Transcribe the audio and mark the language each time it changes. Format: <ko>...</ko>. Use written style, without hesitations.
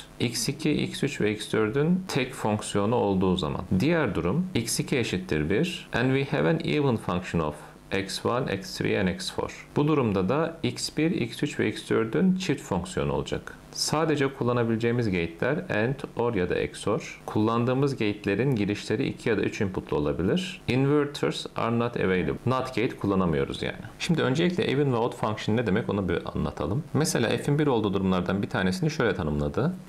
<tr>x2, x3 ve x4'ün tek fonksiyonu olduğu zaman. Diğer durum, x2 eşittir 1.</tr> <en>And we have an even function of x1, x3 and x4.</en> <tr>Bu durumda da x1, x3 ve x4'ün çift fonksiyonu olacak. Sadece kullanabileceğimiz gate'ler AND, OR ya da XOR. Kullandığımız gate'lerin girişleri 2 ya da 3 inputlu olabilir.</tr> <en>Inverters are not available.</en> <tr>NOT gate kullanamıyoruz yani. Şimdi öncelikle even ve odd function ne demek onu bir anlatalım. Mesela f'in 1 olduğu durumlardan bir tanesini şöyle tanımladı.</tr>